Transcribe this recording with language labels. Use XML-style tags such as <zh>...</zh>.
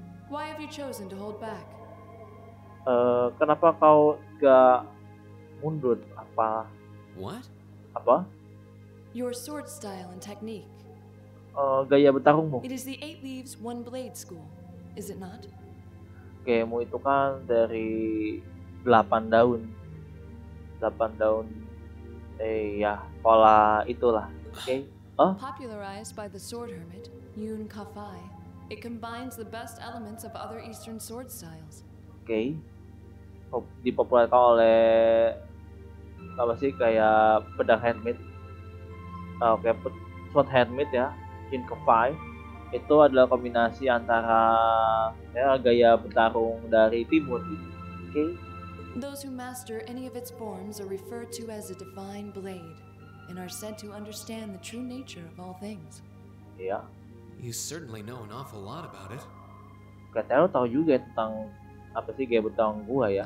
<en>Why have you chosen to hold back?</en> <id>Kenapa kau gak mundur? Apa?</id> <en>What?</en> <id>Apa?</id> <en>Your sword style and technique.</en> <id>Gaya bertarungmu.</id> <en>It is the eight leaves, one blade school, is it not?</en> <id>Gayamu itu kan dari 8 daun. 8 daun. Ya, pola itulah. Okay.</id> <en>Popularized by the sword hermit, Yun Kafai, it combines the best elements of other eastern sword styles.</en> <id>Okay. Dipopulerkan oleh apa sih, kayak pedang hermit.</id> <en>Sword hermit ya.</en> <id>Yun Kafai itu adalah kombinasi antara ya, gaya bertarung dari timur.</id> <en>Okay. Those who master any of its forms are referred to as a divine blade and are said to understand the true nature of all things. Yeah. You certainly know an awful lot about it.</en> <id>Katanya lo tahu juga tentang apa sih gaya bertarung gua ya.</id>